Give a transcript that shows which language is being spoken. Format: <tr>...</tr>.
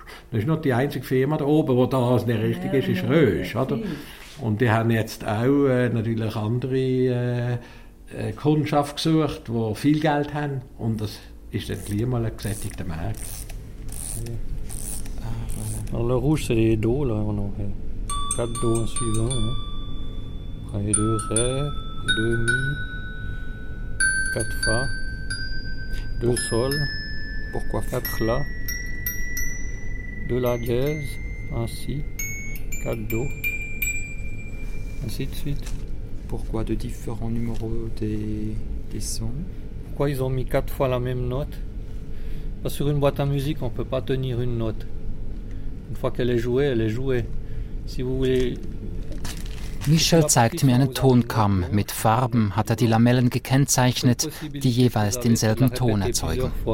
<de>Das ist nur die einzige Firma da oben, die das nicht richtig ist Rösch. Oder? Und die haben jetzt auch natürlich andere Kundschaft gesucht, die viel Geld haben. Und das ist dann gleich mal ein gesättigter Markt.</de> <fr>Le Rouge, c'est Do, là, on a quatre Do en suivant. Après, il y a deux Ré, deux Mi, quatre Fa, deux Sol, pourquoi quatre La. De la dièse, un si, quatre do, ainsi de suite. Pourquoi de différents numéros des sons? Pourquoi ils ont mis quatre fois la même note? Parce que sur une boîte à musique, on ne peut pas tenir une note. Une fois qu'elle est jouée, elle est jouée. Si vous voulez...</fr> <de>Michel zeigt mir einen Tonkamm. Mit Farben hat die Lamellen gekennzeichnet, die jeweils denselben Ton erzeugen.</de>